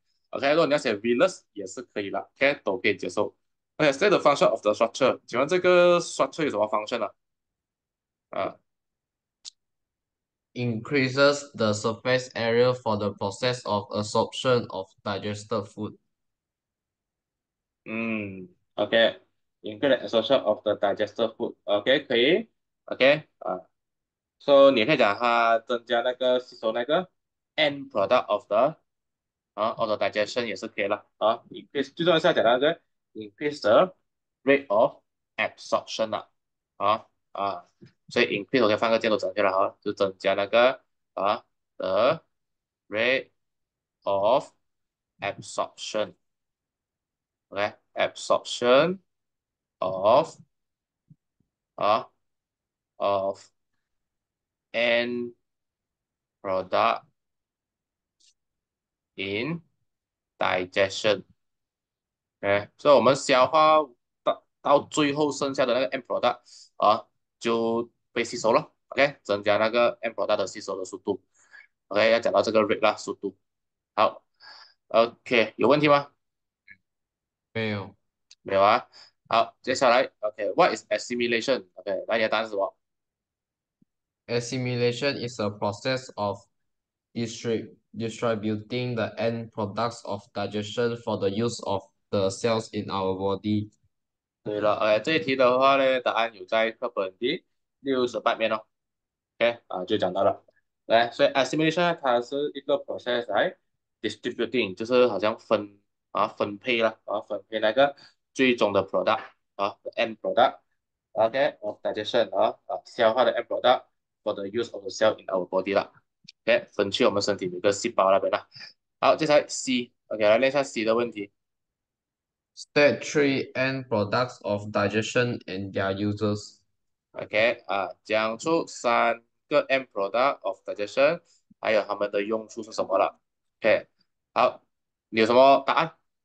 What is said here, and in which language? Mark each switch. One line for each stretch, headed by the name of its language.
Chinese: OK，如果你要写 villus 也是可以了，OK，都可以接受。
English: OK，state the function of the structure，
Chinese: 请问这个 structure 有什么 function 呢、
English: 啊？ Increases the surface area for the process of absorption of digested food. OK，include the absorption of the digested food，OK，可以，OK，So
Chinese: 你可以讲它增加那个吸收那个
English: end product of the of the digestion
Chinese: 也是可以了啊。 Increase 最重要是要讲那个
English: increase the rate of absorption
Chinese: 啊，所以 increase 我就放个箭头整下来哈，就增加那个
English: the rate of absorption。
Chinese: OK，
English: absorption of end product in digestion，
Chinese: 所以我们消化到最后剩下的那个 end product 就被吸收了，OK，增加那个 end product 的吸收的速度，OK，要讲到这个 rate 啦，速度，好，OK，有问题吗？没有。没有啊，好，接下来，OK，
English: what is assimilation？
Chinese: OK，那你的答案是什么？
English: Assimilation is a process of distributing the end products of digestion for the use of the cells in our body.
Chinese: 对了，OK，这一题的话呢，答案有在课本的68面哦。 OK，就讲到了。来，所以 assimilation 它是一个 process，distributing 就是好像分配了，分配那个最终的 product，the end product，OK，of digestion，消化的 end product
English: for the use of the cell in our body
Chinese: 啦。 OK，分去我们身体每个细胞那边啦。好，接下来 C，OK，来练一下 C 的问题。
English: Step 3 end products of digestion and their uses.
Chinese: OK，讲出三个 end product of digestion，还有它们的用处是什么了？OK，好，你有什么答案？